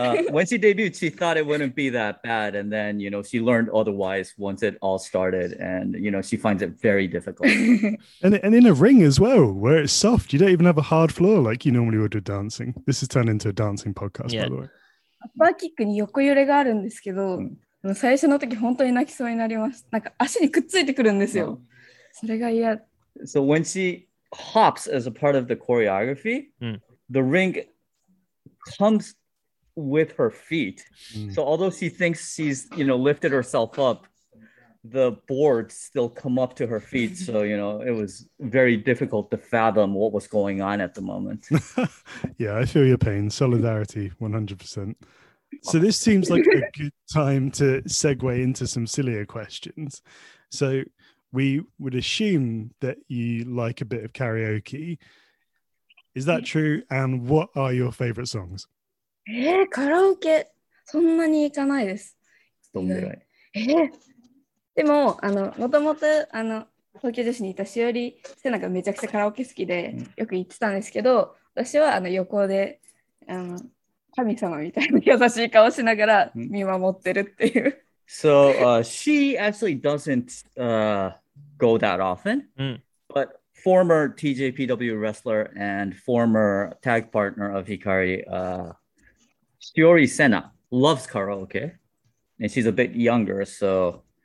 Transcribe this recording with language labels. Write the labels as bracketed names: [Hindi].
[English] When she debuted, she thought it wouldn't be that bad. And then, you know, she learned otherwise once it all started. And, you know, she finds it very difficult. And in a ring as well, where it's soft. You don't even have a hard floor like you normally would with dancing. This has turned into a dancing podcast, yeah. By the way. [Japanese] アッパーキックに横揺れがあるんですけど、最初の時本当に泣きそうになりました。なんか足にくっついてくるんですよ。それが嫌。 [English] So when she hops as a part of the choreography, the ring comes... with her feet. So although she thinks she's, you know, lifted herself up, the boards still come up to her feet. So, you know, it was very difficult to fathom what was going on at the moment. Yeah, I feel your pain. Solidarity, 100%. So this seems like a good time to segue into some sillier questions. So we would assume that you like a bit of karaoke. Is that true? And what are your favorite songs? [Japanese] カラオケそんなに行かないです。どんぐらい？でも、あの、もともと、あの、東京女子にいたしおり、せなんかめちゃくちゃカラオケ好きで、よく行ってたんですけど、私は、あの、横で、あの、神様みたいな優しい顔しながら見守ってるっていう。 [English] So, she actually doesn't, go that often, but former TJPW wrestler and former tag partner of Hikari, Shiori Senna loves karaoke, and she's a bit younger, so